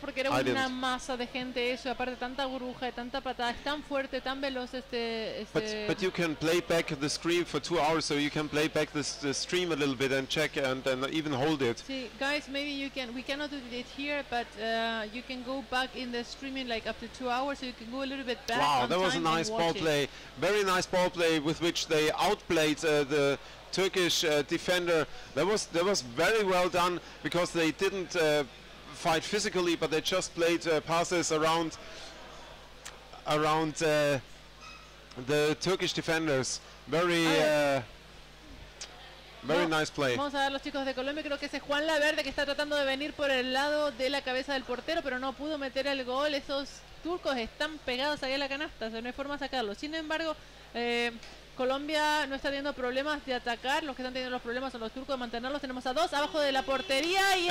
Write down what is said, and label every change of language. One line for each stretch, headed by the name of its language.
Spanish: porque era una masa de gente eso, aparte tanta burbuja, tanta patada, es tan fuerte, tan veloz este
English: But you can play back the stream for 2 hours, so you can play back the stream a little bit and check and even hold it. See, guys, maybe you can, we cannot do it here, but you can go back in the streaming like up to 2 hours, so you can go a little bit back. Wow, that was a nice ball play. Very nice ball play with which they outplayed the Turkish defender. That was very well done, because they didn't fight physically, but they just played passes around the Turkish defenders. Very nice play.
Spanish: Vamos a ver los chicos de Colombia. Creo que ese es Juan Laverde que está tratando de venir por el lado de la cabeza del portero, pero no pudo meter el gol. Esos turcos están pegados ahí a la canasta, o sea, no hay forma de sacarlo. Sin embargo, Colombia no está teniendo problemas de atacar. Los que están teniendo los problemas son los turcos de mantenerlos. Tenemos a dos abajo de la portería y